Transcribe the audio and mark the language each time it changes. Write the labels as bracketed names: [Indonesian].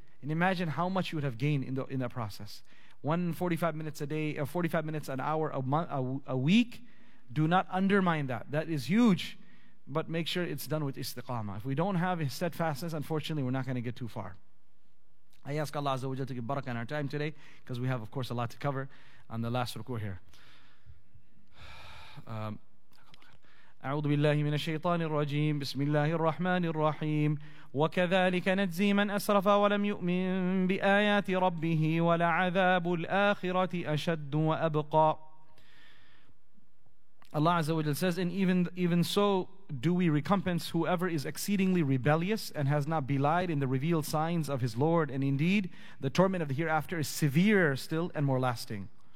[English] And imagine how much you would have gained in that process. 45 minutes an hour a week, do not undermine that. That is huge, but make sure it's done with istiqamah. If we don't have steadfastness, unfortunately, we're not going to get too far. I ask Allah Azza wa Jalla to give barakah on our time today, because we have, of course, a lot to cover on the last ruku here. [Arabic] أعوذ بالله من الشيطان الرجيم بسم الله الرحمن الرحيم وكذلك نجزي من أسرف ولم يؤمن بآيات ربه ولعذاب الآخرة أشد وأبقى. [English] Allah Azza wa Jalla says, and even so do we recompense whoever is exceedingly rebellious and has not belied in the revealed signs of his Lord, and indeed the torment of the hereafter is severe still and more lasting.